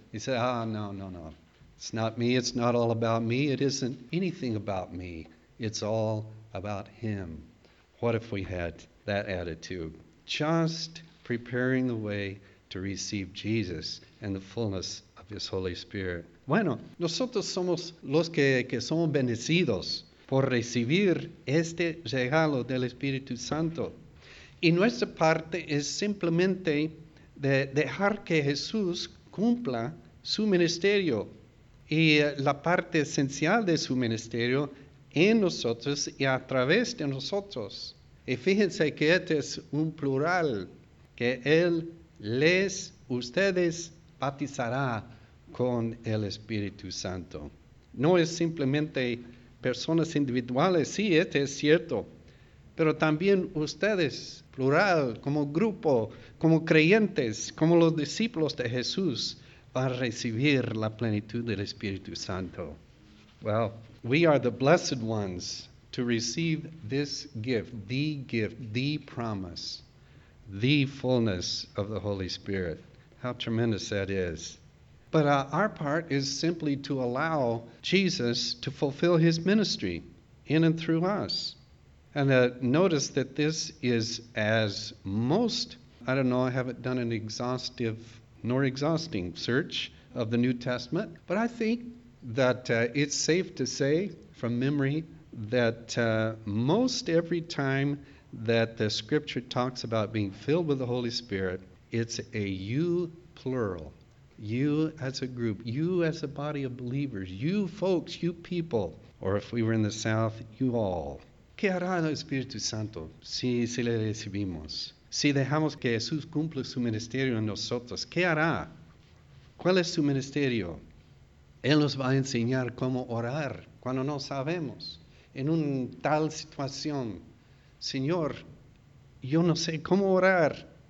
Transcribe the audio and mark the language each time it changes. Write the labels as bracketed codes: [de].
[en] He said, no. It's not me. It's not all about me. It isn't anything about me. It's all about him. What if we had that attitude? Just preparing the way to receive Jesus and the fullness of his Holy Spirit. [es] Bueno, nosotros somos los que somos bendecidos por recibir este regalo del Espíritu Santo. Y nuestra parte es simplemente de dejar que Jesús cumpla su ministerio. Y la parte esencial de su ministerio en nosotros y a través de nosotros. Y fíjense que este es un plural, que Él les, ustedes, bautizará con el Espíritu Santo. No es simplemente personas individuales, sí, este es cierto, pero también ustedes, plural, como grupo, como creyentes, como los discípulos de Jesús, van a recibir la plenitud del Espíritu Santo. [en] Well, we are the blessed ones to receive this gift, the promise, the fullness of the Holy Spirit. How tremendous that is. But our part is simply to allow Jesus to fulfill his ministry in and through us. And notice that this is as most, I don't know, I haven't done an exhaustive nor exhausting search of the New Testament, but I think that it's safe to say from memory that most every time that the scripture talks about being filled with the Holy Spirit, it's a you plural. You as a group, you as a body of believers, you folks, you people, or if we were in the South, you all. [es] ¿Qué hará el Espíritu Santo si le recibimos? Si dejamos que Jesús cumpla su ministerio en nosotros, ¿qué hará? ¿Cuál es su ministerio? Él nos va a enseñar cómo orar cuando no sabemos. En una tal situación, Señor, yo no sé cómo orar.